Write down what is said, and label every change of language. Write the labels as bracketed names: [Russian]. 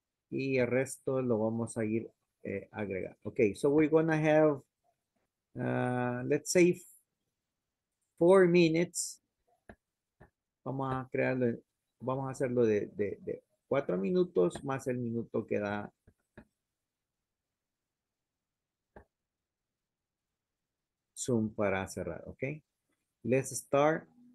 [Spanish] Y el resto lo vamos a ir agregar. [English] Okay. So we're going to have, let's say, 4 minutes. [Spanish] Vamos a crearlo, vamos a hacerlo de 4 minutos más el minuto que da Zoom para cerrar, ¿ok? [English] Let's start.